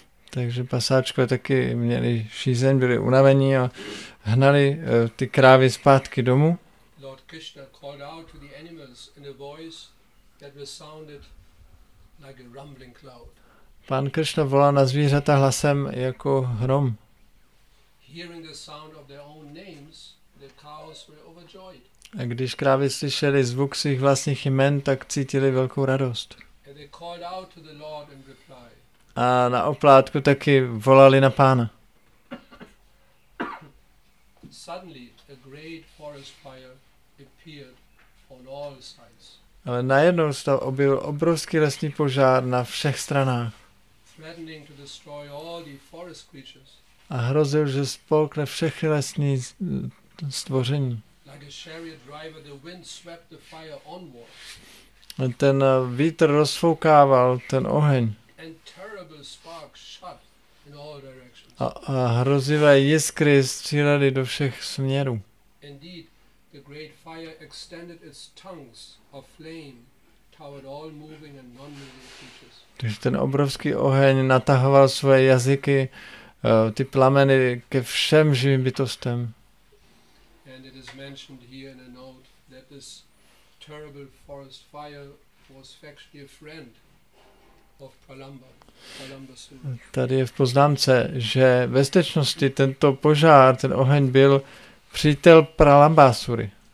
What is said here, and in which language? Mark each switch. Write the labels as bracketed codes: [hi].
[cs] Takže pasáčkové taky měli žízeň, byli unavení a hnali ty krávy zpátky domů. [en] Lord Krishna called out to the animals in a voice that was sounded like a rumbling cloud. [cs] Pán Krishna volal na zvířata hlasem jako hrom. [en] Hearing the sound of their own names, the cows were overjoyed. [cs] A když krávy slyšeli zvuk svých vlastních jmen, tak cítili velkou radost. [en] And they called out to the Lord in reply. [cs] A na oplátku taky volali na pána. [en] Suddenly a great forest fire appeared on all sides. [cs] Ale najednou se objevil obrovský lesní požár na všech stranách. [en] Threatening to destroy all the forest creatures. [cs] A hrozil, že spolkne všechny lesní stvoření. [en] Like a chariot driver, the wind swept the fire onward. [cs] Ten vítr rozfoukával ten oheň. [en] And terrible sparks shot in all directions. [cs] A hrozivé jiskry střílely do všech směrů. [en] Indeed, the great fire extended its tongues of flame toward all moving and non-moving creatures. [cs] Takže ten obrovský oheň natahoval svoje jazyky, ty plameny ke všem živým bytostem. [en] And it is mentioned here in a note that this terrible forest fire was actually a friend of Pralamba. [cs] Tady je v poznámce, že ve skutečnosti tento požár, ten oheň byl přítel Pralambasury.